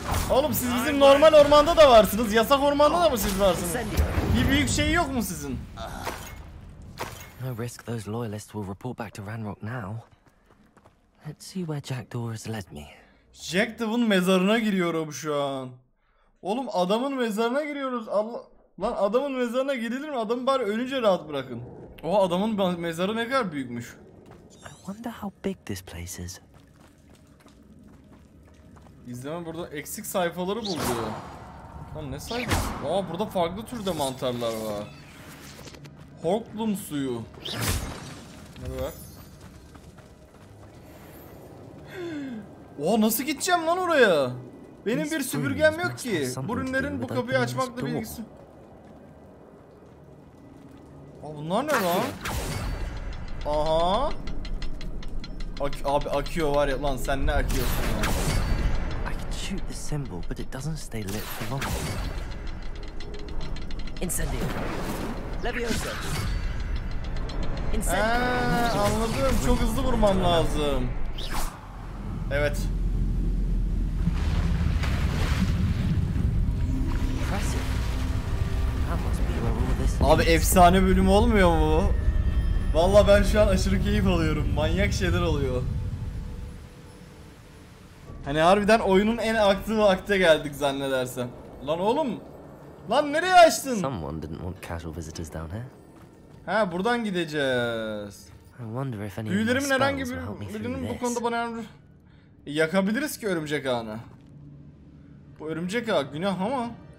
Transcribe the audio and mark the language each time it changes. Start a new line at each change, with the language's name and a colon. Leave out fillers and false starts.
Turkish: Oğlum siz bizim normal ormanda da varsınız. Yasak ormanda da mı siz varsınız? Bir büyük şey yok mu sizin?
English: No risk, those loyalists will report back to Ranrock now. Let's see where Jackdaw has led me.
Turkish: Jackdaw'ın mezarına giriyorum şu an. Oğlum adamın mezarına giriyoruz. Allah. Lan adamın mezarına gidilir mi? Adamı bari ölünce rahat bırakın. O adamın mezarı ne kadar büyükmüş.
English: I wonder how big this place is.
Turkish: İzleme burada eksik sayfaları buldu. Lan ne sayfa? Aa, burada farklı türde mantarlar var. Horklum suyu. Hadi bak. Oha, nasıl gideceğim lan oraya? Benim bir süpürgem yok ki. Brünner'in bu kapıyı açmakla bir ilgisi. Aa, bunlar ne lan? Aha. Abi akıyor var ya, lan sen ne akıyorsun ya?
English: I can shoot the symbol but it doesn't stay lit for long.
Latin: Incendio. Leviosa. Incendio.
Turkish: Anladım. Çok hızlı vurmam lazım. Evet. Abi efsane bölüm olmuyor mu? Vallahi ben şu an aşırı keyif alıyorum. Manyak şeyler oluyor. Hani harbiden oyunun en aktif vakte geldik zannedersem. Lan oğlum. Lan nereye açtın?
English: Someone didn't want casual visitors down here.
Turkish: Ha, buradan gideceğiz. Büyülerimin herhangi birinin bu konuda bana yardım... Yakabiliriz ki örümcek ağını. Bu örümcek ağı günah ama.